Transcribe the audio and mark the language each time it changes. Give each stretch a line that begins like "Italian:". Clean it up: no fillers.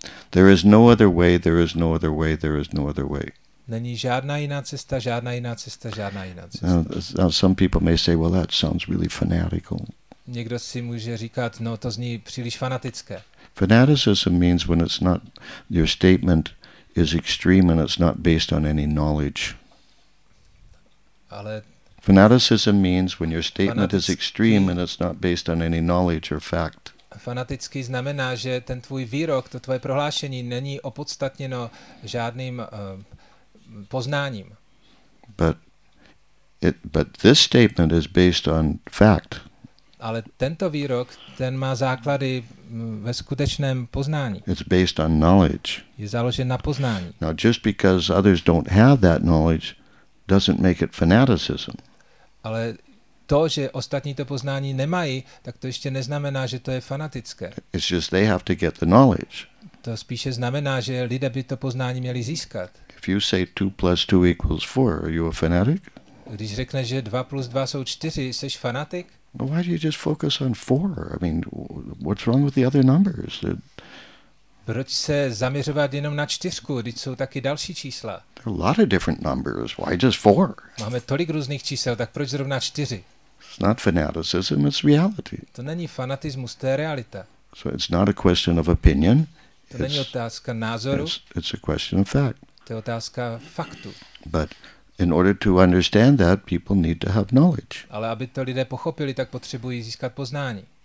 English: There is no other way, there is no other way, there is no other way.
Czech: Není žádná jiná cesta, žádná jiná cesta, žádná jiná cesta.
English: Now some people may say, well, that sounds really fanatical.
Czech: Někdo si může říkat, no to zní příliš fanatické.
English: Fanaticism means when it's not, your statement is extreme and it's not based on any knowledge.
Czech: Ale
English: fanaticism means when your statement is extreme and it's not based on any knowledge or fact.
Czech: Fanaticky znamená, že ten tvůj výrok, to tvoje prohlášení není opodstatněno žádným poznáním.
English: But this statement is based on fact.
Czech: Ale tento výrok, ten má základy ve skutečném poznání.
English: It's based on knowledge.
Czech: Je založen na poznání.
English: Now just because others don't have that knowledge doesn't make it fanaticism.
Czech: Ale to, že ostatní to poznání nemají, tak to ještě neznamená, že to je fanatické.
English: It's just they have to get the knowledge.
Czech: To spíše znamená, že lidé by to poznání měli získat.
English: If you say 2 plus 2 equals 4, are you a fanatic?
Czech: Když řekneš, že 2 plus 2 jsou 4, jsi fanatik?
English: But why do you just focus on 4? I mean, what's wrong with the other numbers? Proč se zaměřovat jenom na čtyřku, když jsou taky další čísla? There are a lot of different numbers. Why just 4?
Czech: Máme tolik různých čísel, tak proč zrovna 4?
English: It's not fanaticism, it's reality.
Czech: To není fanatismus, to je realita.
English: So it's not a question of opinion.
Czech: To není otázka názoru.
English: It's a question of fact.
Czech: To je otázka faktu.
English: But in order to understand that, people need to have knowledge.
Czech: Ale aby to lidé pochopili, tak potřebují získat poznání.